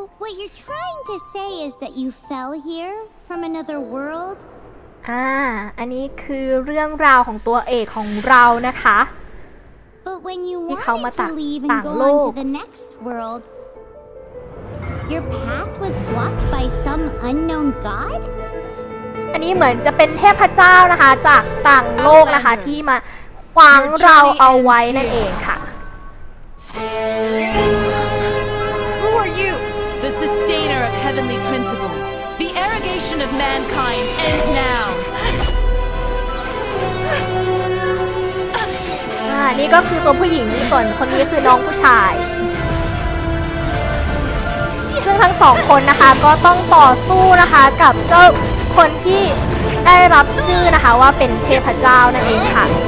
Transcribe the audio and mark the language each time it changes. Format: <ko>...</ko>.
<en>What you're trying to say is that you fell here from another world?</en> <th>อันนี้คือเรื่องราวของตัวเอกของเรานะคะ</th> <en>But when you wanted to leave and go on to the next world, your path was blocked by some unknown god?</en> <th>อันนี้เหมือนจะเป็นเทพเจ้านะคะจากต่างโลกนะคะที่มาขวางเราเอาไว้นั่นเองค่ะ</th> <en>Who are you? The sustainer of heavenly principles. The arrogation of mankind ends now.</en> <th>นี่ก็คือตัวผู้หญิงส่วนคนนี้คือน้องผู้ชายซึ่งทั้งสองคนนะคะก็ต้องต่อสู้นะคะกับเจ้าคนที่ได้รับชื่อนะคะว่าเป็นเทพเจ้านั่นเองค่ะ</th>